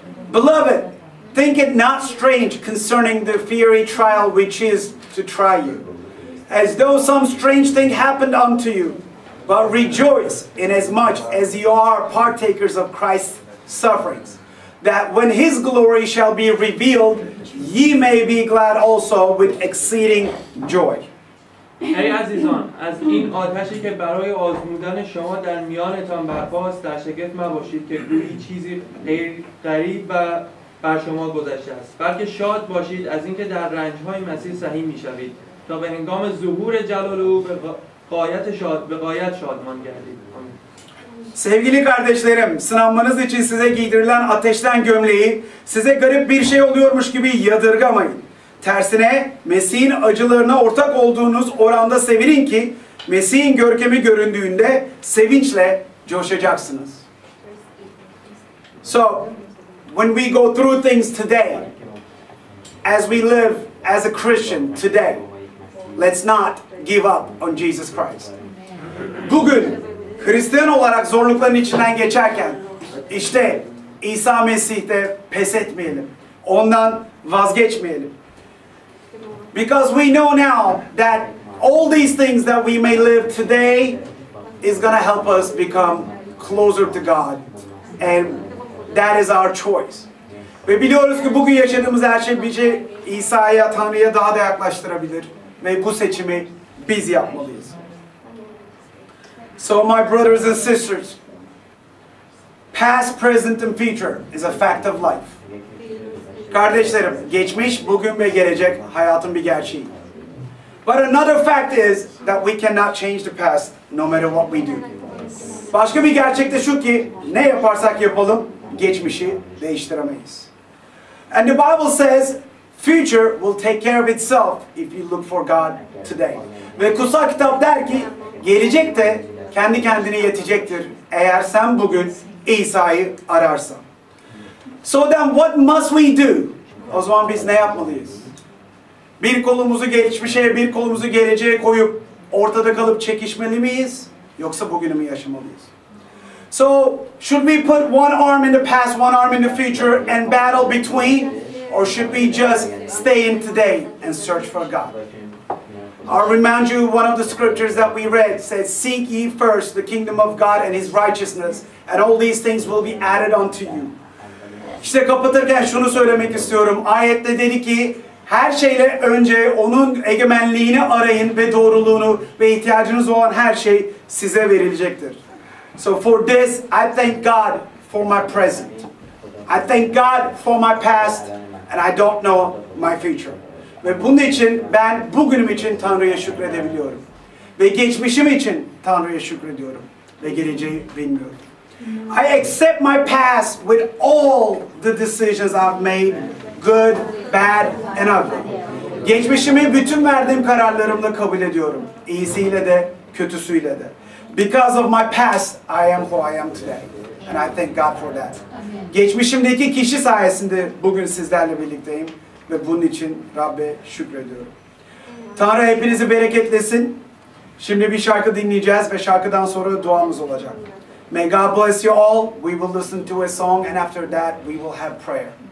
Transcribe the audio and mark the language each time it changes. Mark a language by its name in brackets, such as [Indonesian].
[English] Beloved, think it not strange concerning the fiery trial which is to try you, as though some strange thing happened unto you, but rejoice inasmuch as you are partakers of Christ's sufferings, that when His glory shall be revealed, ye may be glad also with exceeding joy. [Persian] ای عزیزان، از این آتشی که برای آزمودن شما در میانتان برپاست در شگفت مباشید که گویی چیزی غیر غریب و بر شما گذشته است، بلکه شاد باشید از اینکه در رنجهای مسیح سهیم می شوید تا به هنگام ظهور جلال او به غایت شادمان گردید. [Turkish] Sevgili kardeşlerim, sınanmanız için size giydirilen ateşten gömleği size garip bir şey oluyormuş gibi yadırgamayın. Tersine Mesih'in acılarına ortak olduğunuz oranda sevinin ki Mesih'in görkemi göründüğünde sevinçle coşacaksınız. [English] So, when we go through things today, as we live as a Christian today, let's not give up on Jesus Christ. [Turkish] Bugün Hristiyan olarak zorlukların içinden geçerken işte İsa Mesih'te pes etmeyelim. Ondan vazgeçmeyelim. [English] Because we know now that all these things that we may live today is going to help us become closer to God. And that is our choice. [Turkish] Ve biliyoruz ki bugün yaşadığımız her şey bizi İsa'ya, Tanrı'ya daha da yaklaştırabilir. Ve bu seçimi biz yapmalıyız. [English] So my brothers and sisters, past, present and future is a fact of life. [Turkish] Kardeşlerim, geçmiş, bugün ve gelecek hayatın bir gerçeği. [English] But another fact is that we cannot change the past no matter what we do. [Turkish] Başka bir gerçek de şu ki, ne yaparsak yapalım, geçmişi değiştiremeyiz. [English] And the Bible says, future will take care of itself if you look for God today. [Turkish] Ve kutsal kitap der ki, gelecek de kendi kendine yetecektir eğer sen bugün İsa'yı ararsan. [English] So then what must we do? [Turkish] O zaman biz ne yapmalıyız? Bir kolumuzu geçmişe, bir kolumuzu geleceğe koyup ortada kalıp çekişmeli miyiz? Yoksa bugünü mü yaşamalıyız? [English] So, should we put one arm in the past, one arm in the future and battle between? Or should we just stay in today and search for God? I'll remind you one of the scriptures that we read says, seek ye first the kingdom of God and His righteousness, and all these things will be added unto you. [Turkish] İşte kapatırken şunu söylemek istiyorum. Ayette dedi ki, her şeyle önce onun egemenliğini arayın ve doğruluğunu ve ihtiyacınız olan her şey size verilecektir. [English] So for this, I thank God for my present. I thank God for my past, and I don't know my future. [Turkish] Ve bunun için ben bugünüm için Tanrı'ya şükredebiliyorum. Ve geçmişim için Tanrı'ya şükrediyorum. Ve geleceği bilmiyorum. [English] I accept my past with all the decisions I've made, good, bad and ugly. [Turkish] Geçmişimi bütün verdiğim kararlarımla kabul ediyorum. İyisiyle de, kötüsüyle de. [English] Because of my past, I am who I am today. And I thank God for that. [Turkish] Geçmişimdeki kişi sayesinde bugün sizlerle birlikteyim. Ve bunun için Rabb'e şükrediyorum. Tanrı hepinizi bereketlesin. Şimdi bir şarkı dinleyeceğiz ve şarkıdan sonra duamız olacak. [English] May God bless you all. We will listen to a song and after that we will have prayer.